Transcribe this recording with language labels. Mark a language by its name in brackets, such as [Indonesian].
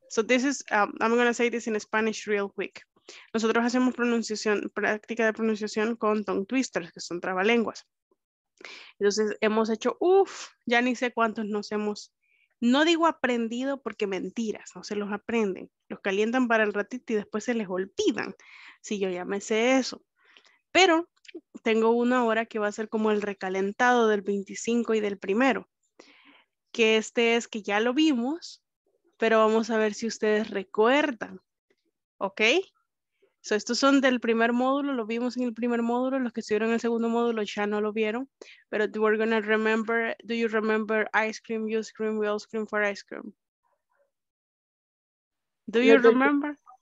[English] So this is, I'm going to say this in Spanish real quick. [Spanish] Nosotros hacemos pronunciación, práctica de pronunciación con tongue twisters, que son trabalenguas. Entonces hemos hecho, ya ni sé cuántos nos hemos, no digo aprendido porque mentiras, no se los aprenden. Los calientan para el ratito y después se les olvidan. Sí, yo ya me sé eso. Pero tengo una hora que va a ser como el recalentado del 25 y del primero. Que este es que ya lo vimos, pero vamos a ver si ustedes recuerdan. ¿Ok? So, estos son del primer módulo, lo vimos en el primer módulo. Los que estuvieron en el segundo módulo ya no lo vieron. [English] Pero we're gonna remember, do you remember ice cream, you scream, we all scream for ice cream? Do you remember?